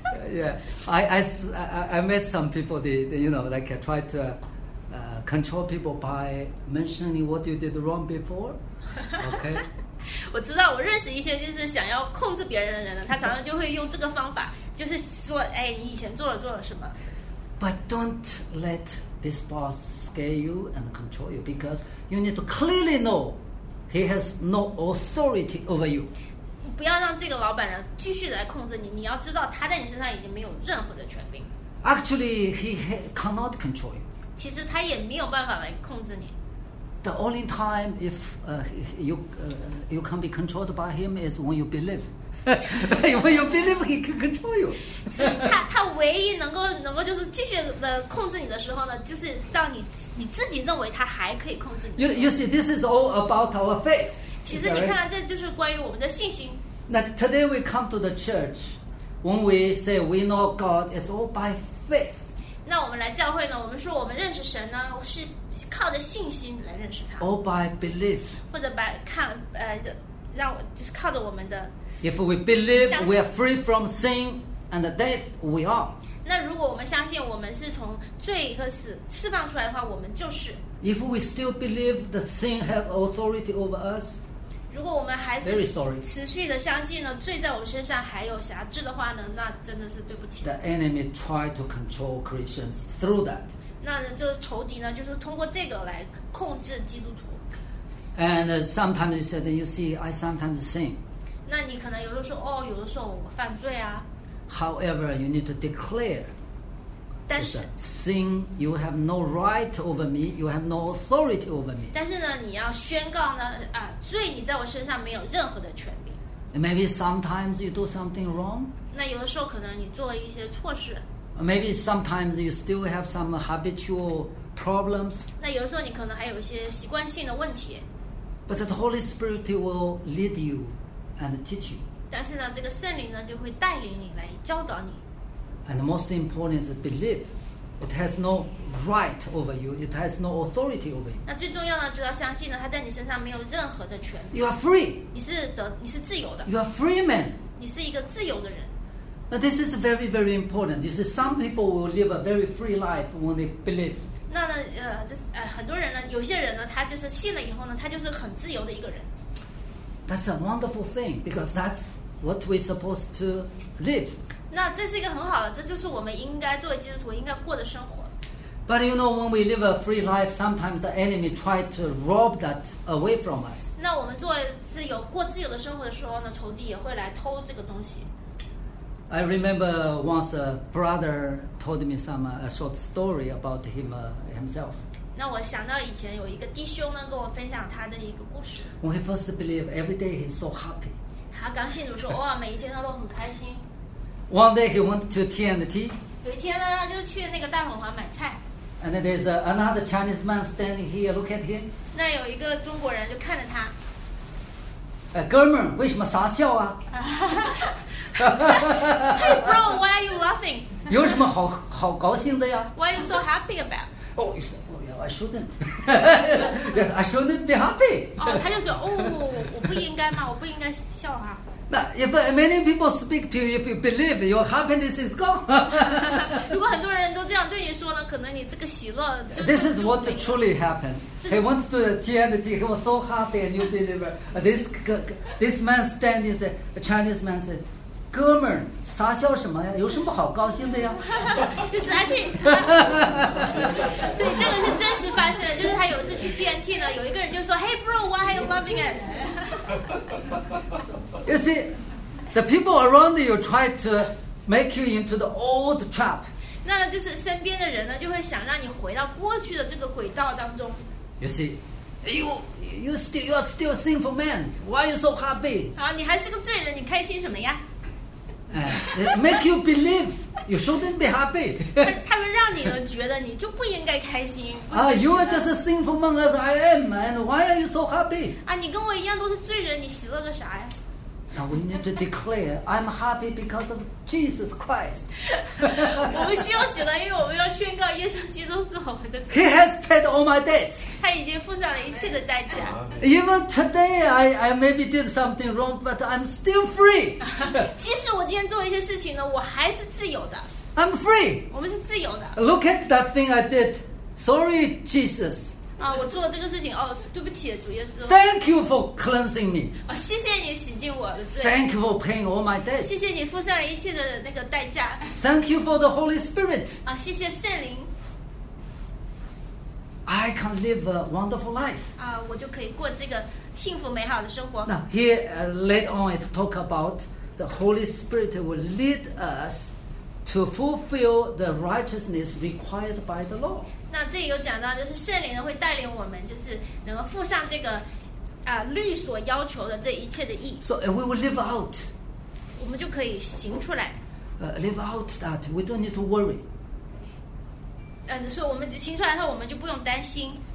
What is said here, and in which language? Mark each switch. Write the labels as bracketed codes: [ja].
[en] Yeah, I met some people. They you know, like I tried to control people by mentioning what you did wrong before. Okay. [zh] 我知道，我认识一些就是想要控制别人的人，他常常就会用这个方法，就是说，哎，你以前做了什么。 [en] But don't let this boss scare you and control you, because you need to clearly know he has no authority over you. [zh] 不要让这个老板继续来控制你，你要知道他在你身上已经没有任何的权柄。 [en] Actually, he cannot control you. [zh] 其实他也没有办法来控制你。 [en] The only time if you can be controlled by him is when you believe. When you believe, he can control you. [zh] 他唯一能够就是继续的控制你的时候呢，就是让你自己认为他还可以控制你。 [en] You see, this is all about our faith. [zh] 其实你看看，这就是关于我们的信心。 [en] 那 today we come to the church, when we say we know God, it's all by faith. [zh] 那我们来教会呢，我们说我们认识神呢是。靠着信心来认识他 [en] or by belief [zh] 或者 by 看让就是靠着我们的 [en] if we believe we are free from sin and death we are [zh] 那如果我们相信我们是从罪和死释放出来的话我们就是 [en] if we still believe that sin has authority over us [zh] 如果我们还是 [en] very sorry [zh] 持续的相信呢罪在我们身上还有辖制的话呢那真的是对不起 [en] the enemy tried to control Christians through that [zh] 那就是仇敌呢，就是通过这个来控制基督徒。 [en] And sometimes he said, "You see, I sometimes sin." [zh] 那你可能有的时候，哦，有的时候我犯罪啊。 [en] However, you need to declare. [zh] 但是 [en] sin, you have no right over me. You have no authority over me. [zh] 但是呢，你要宣告呢，啊，罪你在我身上没有任何的权柄。 [en] Maybe sometimes you do something wrong. [zh] 那有的时候可能你做了一些错事。 [en] Maybe sometimes you still have some habitual problems. [zh] 那有时候你可能还有一些习惯性的问题。 [en] But the Holy Spirit will lead you and teach you. [zh] 但是呢，这个圣灵呢就会带领你来教导你。 [en] And the most important is believe. It has no right over you. It has no authority over you. [zh] 那最重要呢，就要相信呢，他在你身上没有任何的权利。 [en] You are free. [zh] 你是自由的。 [en] You are free man. [zh] 你是一个自由的人。 [en] Now this is very, very important. You see, some people will live a very free life when they believe. [zh] 那呢，很多人呢，有些人呢，他就是信了以后呢，他就是很自由的一个人。 [en] That's a wonderful thing because that's what we're supposed to live. [zh] 那这是一个很好的，这就是我们应该作为基督徒应该过的生活。 [en] But you know, when we live a free life, sometimes the enemy tries to rob that away from us. [zh] 那我们做自由过自由的生活的时候呢，仇敌也会来偷这个东西。 [en] I remember once a brother told me a short story about himself. [zh] 那我想到以前有一个弟兄呢，跟我分享他的一个故事。 [en] When he first believed, every day he's so happy. [zh] 他刚信主说，哇，每一天他都很开心。 [en] One day he went to TNT. [zh] 有一天呢，他就去那个大统华买菜。 [en] And there's another Chinese man standing here, look at him. [zh] 那有一个中国人就看着他。哥们儿，为什么傻笑啊？ [en] Hey bro, why are you laughing? [zh] 有什么好高兴的呀？ [en] Why are you so happy about? Oh, I shouldn't. Yes, I shouldn't be happy. [zh] 哦，他就说，哦，我不应该吗？我不应该笑啊。 [en] 那 if many people speak to you, if you believe, your happiness is gone. [zh] 如果很多人都这样对你说呢，可能你这个喜乐就 [en] This is what truly happened. He went to the TNT. He was so happy, a new believer. This man standing, a Chinese man said. [zh] 哥们儿，傻笑什么呀？有什么好高兴的呀？就是，所以这个是真实发生的，就是他有一次去 TNT 呢，有一个人就说 ， [en] Hey bro, why are you laughing at? You see, the people around you try to make you into the old trap. [zh] 那就是身边的人呢，就会想让你回到过去的这个轨道当中。 [en] You see, you are still a sinful man. Why are you so happy? [zh] 好，你还是个罪人，你开心什么呀？ [en] make you believe you shouldn't be happy. [zh] 他们让你呢觉得你就不应该开心。 [en] You are just a sinful man as I am, and why are you so happy? [zh] 啊，你跟我一样都是罪人，你喜乐个啥呀？ [en] Now we need to declare, I'm happy because of Jesus Christ. [zh] 我们需要喜乐，因为我们要宣告耶稣基督是我们的主。 [en] He has paid all my debts. [zh] 他已经付上了一切的代价。 [en] Even today, I maybe did something wrong, but I'm still free. [zh] 即使我今天做一些事情呢，我还是自由的。 [en] I'm free. [zh] 我们是自由的。 [en] Look at that thing I did Sorry, Jesus. [zh] 啊，我做了这个事情，哦，对不起，主耶稣。 [en] Thank you for cleansing me. [zh] 哦，谢谢你洗净我的罪。 [en] Thank you for paying all my debt. [zh] 谢谢你付上一切的那个代价。 [en] Thank you for the Holy Spirit. [zh] 啊，谢谢圣灵。 [en] I can live a wonderful life. [zh] 啊，我就可以过这个幸福美好的生活。 [en] Now here, later on, it talk about the Holy Spirit will lead us to fulfill the righteousness required by the law. [zh] 那这里有讲到，就是圣灵呢会带领我们，就是能够付上这个啊律所要求的这一切的义。 [en] So we will live out. [zh] 我们就可以行出来。 [en] Live out that we don't need to worry. [zh] 你说我们行出来后，我们就不用担心。